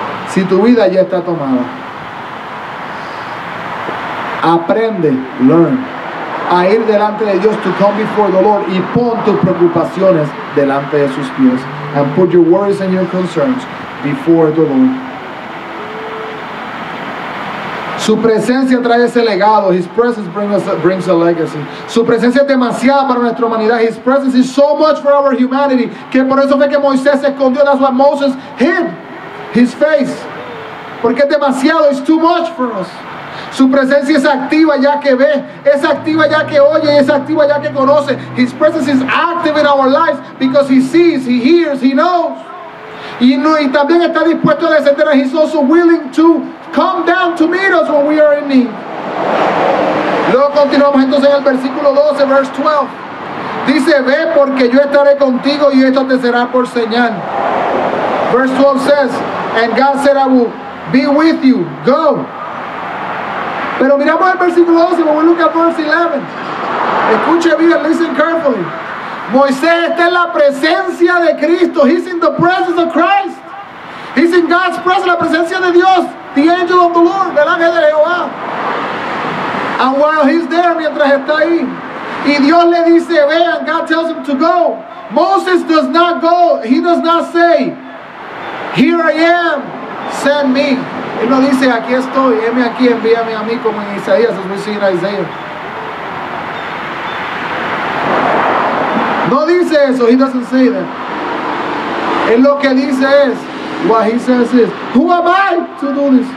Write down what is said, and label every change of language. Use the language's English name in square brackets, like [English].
[Spanish] Si tu vida ya está tomada, aprende, learn a ir delante de Dios, [English] to come before the Lord, [Spanish] y pon tus preocupaciones delante de sus pies, [English] and put your worries and your concerns before the Lord. [Spanish] Su presencia trae ese legado. [English] His presence brings a legacy. [Spanish] Su presencia es demasiada para nuestra humanidad. [English] His presence is so much for our humanity. [Spanish] Que por eso fue que Moisés se escondió. [English] That's why Moses hid his face. [Spanish] Porque es demasiado. [English] It's too much for us. [Spanish] Su presencia es activa ya que ve, es activa ya que oye, es activa ya que conoce. [English] His presence is active in our lives because he sees, he hears, he knows. [Spanish] Y también está dispuesto a descender. [English] He's also willing to come down to meet us when we are in need. [Spanish] Luego continuamos entonces en el versículo 12, verse 12. Dice, ve porque yo estaré contigo y esto te será por señal. [English] Verse 12 says, and God said, I will be with you. Go. [Spanish] Pero miramos el versículo 12, [English] we look at verse 11. [Spanish] Escuche bien, [English] listen carefully. [Spanish] Moisés está en la presencia de Cristo. [English] He's in the presence of Christ. He's in God's presence, [Spanish] la presencia de Dios. [English] The angel of the Lord, [Spanish] el ángel de Jehová. [English] And while he's there, [Spanish] mientras está ahí, y Dios le dice, ve, [English] and God tells him to go. Moses does not go, he does not say, here I am, send me. [Spanish] Él no dice, aquí estoy, heme aquí, envíame a mí, como en Isaías, [English] as we see in Isaiah. [Spanish] No dice eso, [English] he doesn't say that. [Spanish] Él lo que dice es, [English] what he says is, who am I to do this?